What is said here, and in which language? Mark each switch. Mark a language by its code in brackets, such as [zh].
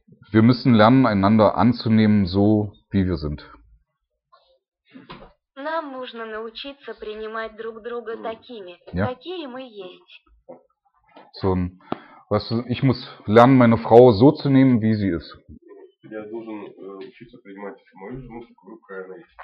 [de] Wir müssen lernen, einander anzunehmen, so wie wir sind. [ru] Нам нужно научиться принимать друг друга такими, какие мы есть. [de] So, weißt du, ich muss lernen, meine Frau so zu nehmen, wie sie ist. [ru] Я должен учиться принимать мою жену, какую она есть.